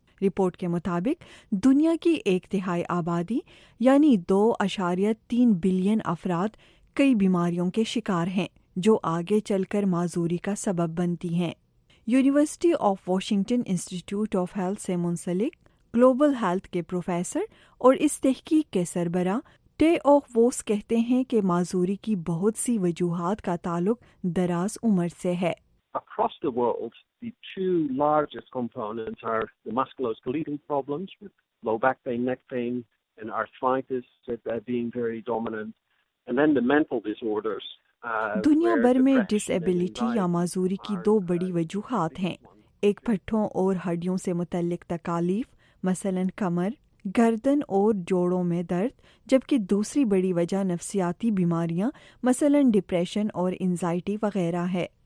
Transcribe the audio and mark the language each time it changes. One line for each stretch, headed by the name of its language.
Urdu: Report کے مطابق دنیا کی ایک تہائی آبادی یعنی 2.3 بلین افراد کئی بیماریوں کے شکار ہیں جو آگے چل کر معذوری کا سبب بنتی ہیں. University of Washington institute of health سے منسلک گلوبل ہیلتھ کے پروفیسر اور اس تحقیق کے سربراہ ٹے آف ووس کہتے ہیں کہ معذوری کی بہت سی وجوہات کا تعلق دراز عمر سے ہے.
English: Across the world, the two largest components are the musculoskeletal problems with low back pain, neck pain and arthritis that are being very dominant, and then the mental disorders.
Urdu: دنیا بھر میں ڈس ایبلٹی یا معذوری کی دو بڑی وجوہات ہیں، ایک پٹھوں اور ہڈیوں سے متعلق تکالیف مثلاً کمر، گردن اور جوڑوں میں درد، جبکہ دوسری بڑی وجہ نفسیاتی بیماریاں مثلاً ڈپریشن اور انزائٹی وغیرہ ہے.